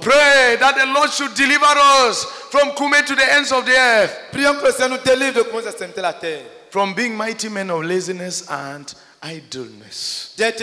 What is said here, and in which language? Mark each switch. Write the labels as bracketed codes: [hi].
[en] pray that the Lord should deliver us from Kumé to the ends of the earth. [fr] Prions que le Seigneur nous délivre de Kumé aux extrémités de la terre. [en] From being mighty men of laziness and idleness.